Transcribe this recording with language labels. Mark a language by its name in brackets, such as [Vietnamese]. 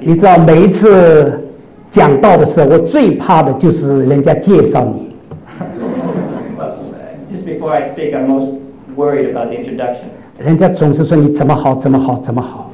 [Chinese] 你知道每一次讲道的时候，我最怕的就是人家介绍你。 [English] Just before I speak, I'm most worried about the introduction. [Chinese] 人家总是说你怎么好，怎么好，怎么好。